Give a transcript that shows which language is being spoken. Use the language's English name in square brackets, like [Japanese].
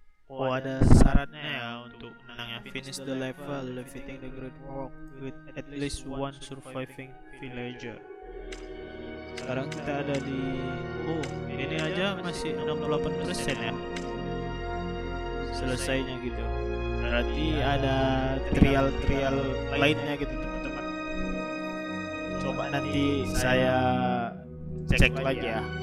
[Indonesian] Oh, ada syaratnya ya untuk menangnya. [English] Finish the level, defeating the Great Walk with at least one surviving villager. [Indonesian] Sekarang kita ada di... ini aja masih 68% ya selesainya gitu. Berarti ada trial-trial lainnya gitu teman-teman. Coba nanti saya cek lagi ya.